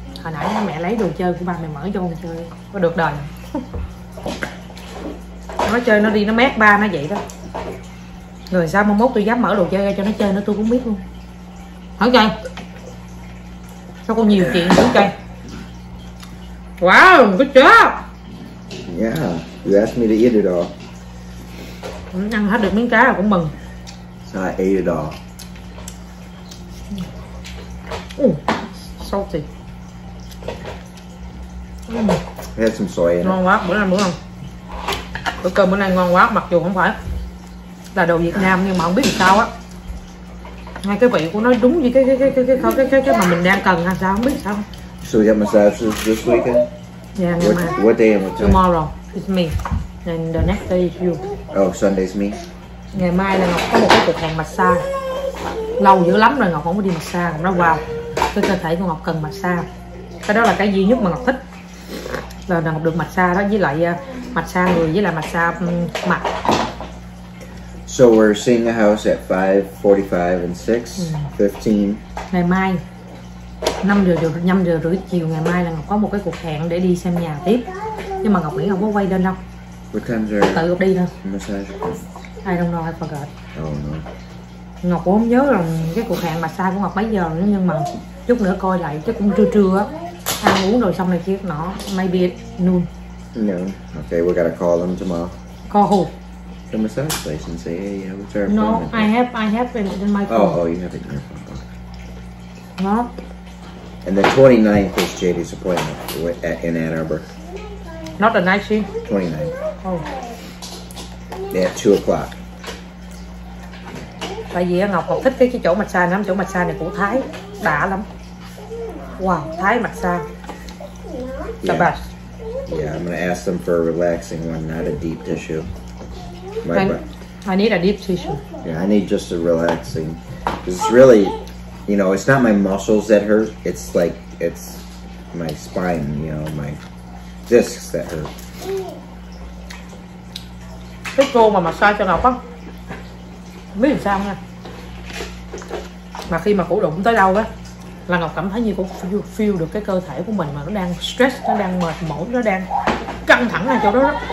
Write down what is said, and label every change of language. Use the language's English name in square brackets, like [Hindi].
[Vietnamese] Hồi nãy mẹ lấy đồ chơi của ba mày mở cho con chơi. Có được đời. Nó chơi nó đi nó mét ba nó vậy đó. Rồi sao mong mốt tôi dám mở đồ chơi ra cho nó chơi nữa tôi cũng biết luôn. Hỏi chơi. Sao con nhiều chuyện dữ chơi. Wow, cái chó. [English] Yeah, you asked me to eat it all. [Vietnamese] Ăn hết được miếng cá là cũng mừng. [English] So I ate it all. Salty. I had some soy in it. [Vietnamese] Ngon quá, bữa nay. Bữa cơm bữa nay ngon quá, mặc dù không phải là đồ Việt Nam nhưng mà không biết làm sao á, ngay cái vị của nó đúng với cái mà mình đang cần hay sao không biết sao. [English] So we have massage this weekend. Yeah, what day and what time? Tomorrow is me, and the next day is you. Oh, Sunday is me. [Vietnamese] Ngày mai là Ngọc có một cái cuộc hẹn massage, lâu dữ lắm rồi Ngọc không có đi massage. Ngọc nói wow, cái cơ thể của Ngọc cần massage, cái đó là cái duy nhất mà Ngọc thích là Ngọc được massage đó, với lại massage người với lại massage mặt. [English] So we're seeing the house at 5:45 and 6:15. [Vietnamese] Ngày mai 5:30 chiều ngày mai là Ngọc có một cái cuộc hẹn để đi xem nhà tiếp. Nhưng mà Ngọc nghĩ không có quay lên đâu. [English] What time is your [Vietnamese] tự Ngọc đi thôi. [English] Massage. I don't know, I forgot. Oh no. [Vietnamese] Ngọc cũng không nhớ rằng cái cuộc hẹn massage của Ngọc mấy giờ nữa, nhưng mà chút nữa coi lại chắc cũng trưa á. Ăn uống rồi xong này kia nọ. [English] Maybe noon. No. Okay, we gotta call them tomorrow. Call who? The massage place and say, hey, yeah, what's our no, I have it in my phone. Oh, you have it in your phone. No. And the 29th is JD's appointment in Ann Arbor. Not the 19th? 29th. Oh. At 2 o'clock. [Vietnamese] Tại vì Ngọc còn thích cái chỗ massage lắm, chỗ massage này của Thái, đã lắm. [English] Wow, Thái massage. The best. Yeah, I'm going to ask them for a relaxing one, not a deep tissue. I need a deep tissue. Yeah, I need just a relaxing. It's really, you know, it's not my muscles that hurt. It's like, it's my spine, you know, my discs that hurt. [Vietnamese] Cái cô mà massage cho Ngọc á, biết làm sao nha. Mà khi mà cổ đụng tới đâu á, là Ngọc cảm thấy như cô feel được cái cơ thể của mình mà nó đang stress, nó đang mệt mỏi, nó đang căng thẳng ở chỗ đó đó.